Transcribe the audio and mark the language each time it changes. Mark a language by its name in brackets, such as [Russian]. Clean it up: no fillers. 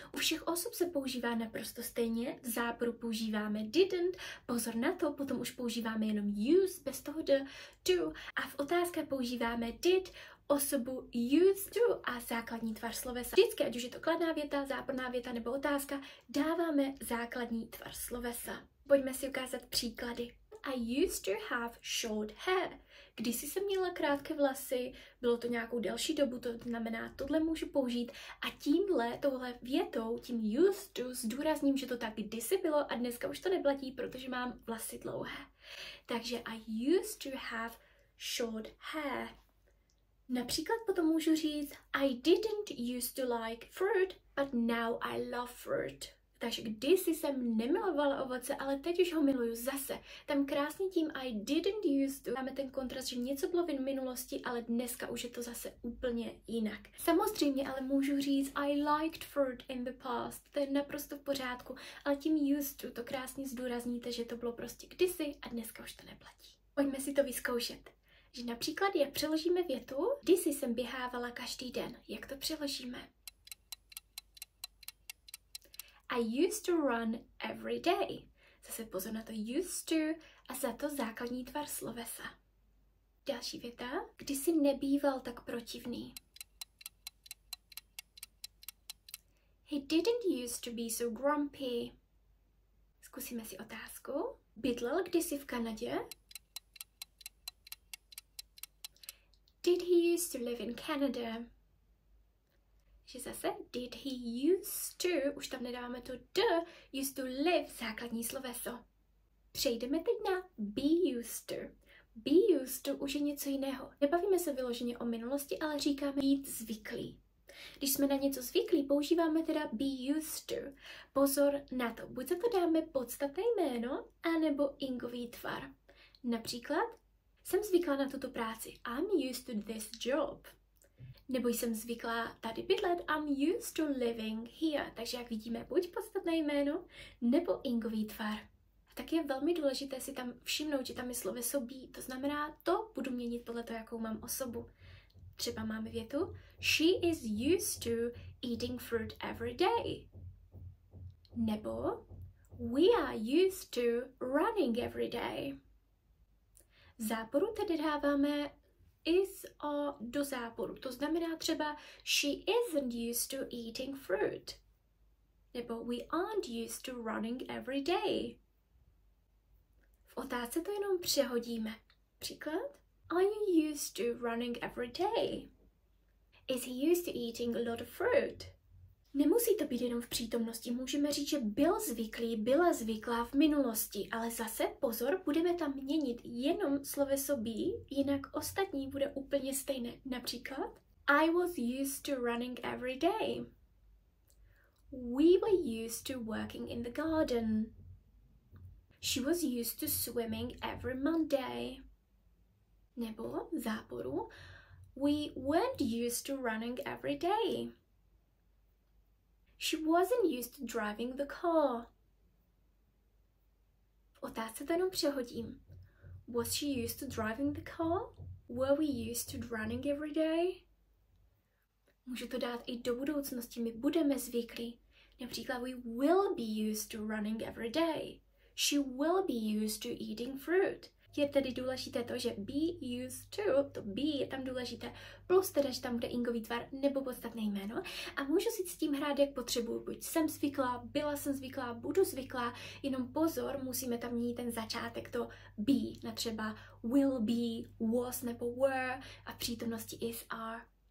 [Czech] U všech osob se používá naprosto stejně, v záporu používáme didn't, pozor na to, potom už používáme jenom use, bez toho the, to, a v otázce používáme did, osobu used to a základní tvar slovesa. Vždycky, ať už je to kladná věta, záporná věta nebo otázka, dáváme základní tvar slovesa. Pojďme si ukázat příklady. [English] I used to have short hair. [Czech] Kdysi jsem měla krátké vlasy, bylo to nějakou delší dobu, to znamená, tohle můžu použít. A tímhle, tohle větou, tím used to, zdůrazním, že to tak kdysi bylo a dneska už to neplatí, protože mám vlasy dlouhé. [English] Takže I used to have short hair. [Czech] Například potom můžu říct [English] I didn't used to like fruit, but now I love fruit. [Czech] Takže kdysi jsem nemilovala ovoce, ale teď už ho miluju zase. Tam krásně tím [English] I didn't used to. [Czech] Máme ten kontrast, že něco bylo v minulosti, ale dneska už je to zase úplně jinak. Samozřejmě ale můžu říct [English] I liked fruit in the past. [Czech] To je naprosto v pořádku, ale tím used to to krásně zdůrazníte, že to bylo prostě kdysi a dneska už to neplatí. Pojďme si to vyzkoušet. Že například, jak přeložíme větu, kdysi jsem běhávala každý den. Jak to přeložíme? [English] I used to run every day. [Czech] Zase pozor na to used to a za to základní tvar slovesa. Další věta. Kdysi nebýval tak protivný. [English] He didn't used to be so grumpy. [Czech] Zkusíme si otázku. Bydlel kdysi v Kanadě? [English] Did he used to live in Canada? [Czech] Že zase, [English] did he used to, [Czech] už tam nedáváme to the, [English] used to live, [Czech] základní sloveso. Přejdeme teď na be used to. Be used to už je něco jiného. Nebavíme se vyloženě o minulosti, ale říkáme být zvyklý. Když jsme na něco zvyklí, používáme teda be used to. Pozor na to, buď za to dáme podstatné jméno, anebo ingový tvar. Například, jsem zvyklá na tuto práci, [English] I'm used to this job. [Czech] Nebo jsem zvyklá tady bydlet, [English] I'm used to living here. [Czech] Takže jak vidíme, buď podstatné jméno, nebo ingový tvar. A tak je velmi důležité si tam všimnout, že tam je sloveso be. To znamená, to budu měnit podle toho, jakou mám osobu. Třeba máme větu, [English] she is used to eating fruit every day. Nebo, we are used to running every day. [Czech] V záporu tedy dáváme is a do záporu. To znamená třeba [English] she isn't used to eating fruit. Nebo we aren't used to running every day. [Czech] V otázce to jenom přehodíme. Příklad. [English] Are you used to running every day? Is he used to eating a lot of fruit? [Czech] Nemusí to být jenom v přítomnosti, můžeme říct, že byl zvyklý, byla zvyklá v minulosti, ale zase pozor, budeme tam měnit jenom sloveso be, jinak ostatní bude úplně stejné. [English] Například, I was used to running every day. We were used to working in the garden. She was used to swimming every Monday. Nebo v záporu, we weren't used to running every day. She wasn't used to driving the car. [Czech] V otázce to jenom přehodím. [English] Was she used to driving the car? Were we used to running every day? [Czech] Můžu to dát i do budoucnosti, my budeme zvyklí. [English] Například, we will be used to running every day. She will be used to eating fruit. [Czech] Je tedy důležité to, že be used to be je tam důležité, plus teda, že tam bude ingový tvar nebo podstatné jméno. A můžu si s tím hrát, jak potřebuji. Buď jsem zvyklá, byla jsem zvyklá, budu zvyklá, jenom pozor, musíme tam měnit ten začátek, to be, na třeba will be, was nebo were a v přítomnosti is, are.